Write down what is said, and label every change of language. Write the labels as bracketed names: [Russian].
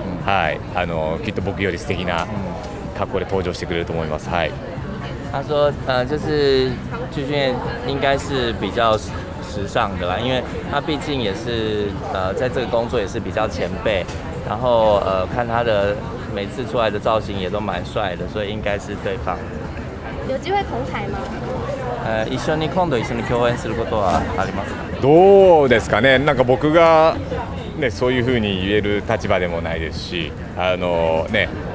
[Japanese] はい、あのきっと僕より素敵な格好で登場してくれると思います。はい。 [Chinese] 他说，就是俊俊应该是比较时尚的啦，因为他毕竟也是在这个工作也是比较前辈，然后看他的每次出来的造型也都蛮帅的，所以应该是对方。有机会同台吗？ [Japanese] 一緒に今度一緒に共演することはありますか？どうですかね。なんか僕がねそういうふうに言える立場でもないですし、あのね。